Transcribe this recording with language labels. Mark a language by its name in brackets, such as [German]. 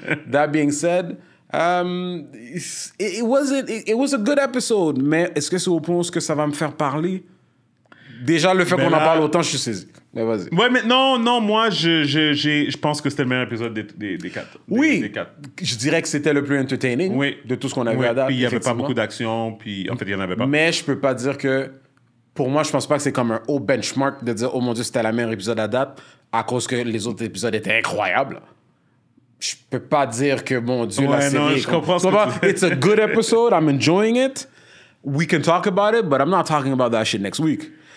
[English] That being said, it was a good episode. [French] Mais est-ce que c'est au point où ça va me faire parler? Déjà, le fait qu'on en parle autant, je suis saisi. Mais vas-y. Ouais, mais non, moi, je pense que c'était le meilleur épisode des quatre. Oui. Des quatre. Je dirais que c'était le plus entertaining de tout ce qu'on a vu à date. Puis il n'y avait pas beaucoup d'action, puis en fait, il n'y en avait pas. Mais je ne peux pas dire que. Pour moi, je ne pense pas que c'est comme un haut benchmark de dire, oh mon Dieu, c'était le meilleur épisode à date, à cause que les autres épisodes étaient incroyables. Je ne peux pas dire que, mon Dieu, la série. Non, je comprends ce que tu dis. [English] It's a good episode, I'm enjoying it. We can talk about it, but I'm not talking about that shit next week.